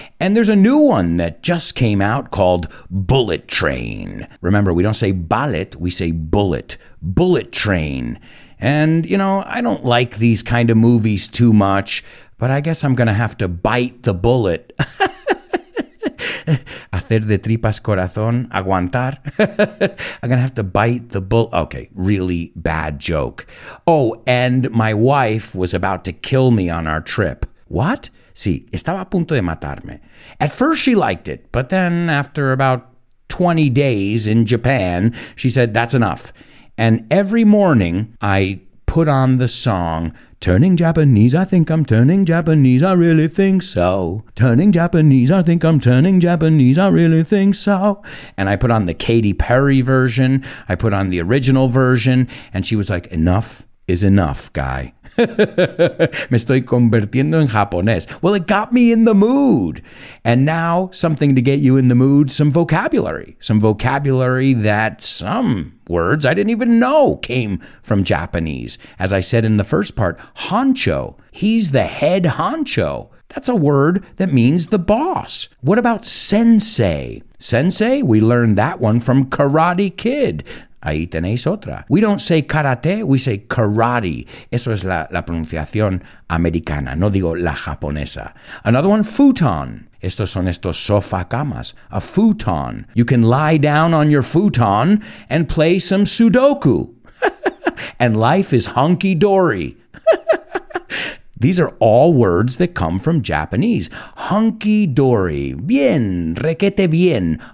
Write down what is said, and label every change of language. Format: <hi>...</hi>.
<en>And there's a new one that just came out called Bullet Train. Remember, we don't say ballet, we say bullet. Bullet Train. And, you know, I don't like these kind of movies too much, but I guess I'm going to have to bite the bullet.</en> <es>hacer de tripas corazón, aguantar.</es> <en>I'm gonna have to bite the bullet. Okay, really bad joke. Oh, and my wife was about to kill me on our trip. What?</en> <es>Sí, estaba a punto de matarme.</es> <en>At first she liked it, but then after about 20 days in Japan, she said, that's enough. And every morning I put on the song, Turning Japanese, I think I'm turning Japanese, I really think so. Turning Japanese, I think I'm turning Japanese, I really think so. And I put on the Katy Perry version, I put on the original version, and she was like, enough is enough, guy.</en> <es>Me estoy convirtiendo en japonés.</es> <en>Well, it got me in the mood. And now, something to get you in the mood, some vocabulary. Some vocabulary that some words I didn't even know came from Japanese. As I said in the first part, honcho. He's the head honcho. That's a word that means the boss. What about sensei? Sensei, we learned that one from Karate Kid.</en> <es>Ahí tenéis otra.</es> <en>We don't say karate, we say karate.</en> <es>Eso es la pronunciación americana, no digo la japonesa.</es> <en>Another one,</en> <es>futon. Estos son estos sofá camas.</es> <en>A futon. You can lie down on your futon and play some Sudoku. And life is hunky-dory. These are all words that come from Japanese.</en> <es>Hunky-dory. Bien. Requete bien.</es>